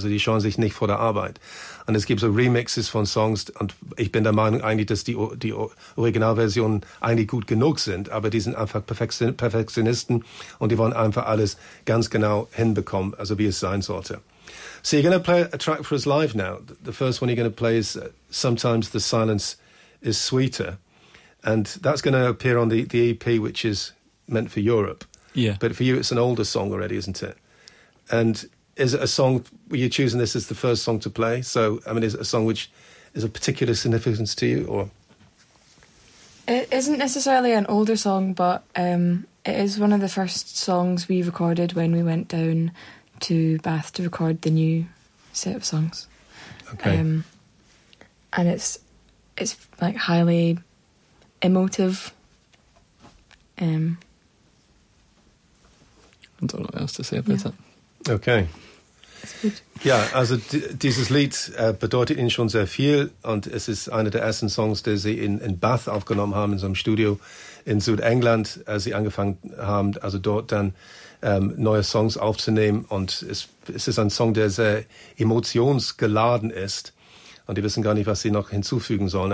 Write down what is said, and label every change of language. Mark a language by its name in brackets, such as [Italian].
[German] Also die scheuen sich nicht vor der Arbeit. Und es gibt so Remixes von Songs und ich bin der Meinung eigentlich, dass die Originalversionen eigentlich gut genug sind, aber die sind einfach Perfektionisten und die wollen einfach alles ganz genau hinbekommen, also wie es sein sollte. [English] So you're going to play a track for us live now. The first one you're going to play is Sometimes the Silence is Sweeter. And that's going to appear on the EP, which is meant for Europe. Yeah. But for you, it's an older song already, isn't it? And is it a song, were you choosing this as the first song to play? So, I mean, is it a song which is of particular significance to you, or? It isn't necessarily an older song, but it is one of the first songs we recorded when we went down to Bath to record the new set of songs. Okay. And it's like, highly emotive. I don't know what else to say about it. Okay. [German] Ja, also dieses Lied bedeutet ihnen schon sehr viel und es ist einer der ersten Songs, die sie in Bath aufgenommen haben, in so einem Studio in Südengland, als sie angefangen haben, also dort dann neue Songs aufzunehmen. Und es ist ein Song, der sehr emotionsgeladen ist und die wissen gar nicht, was sie noch hinzufügen sollen.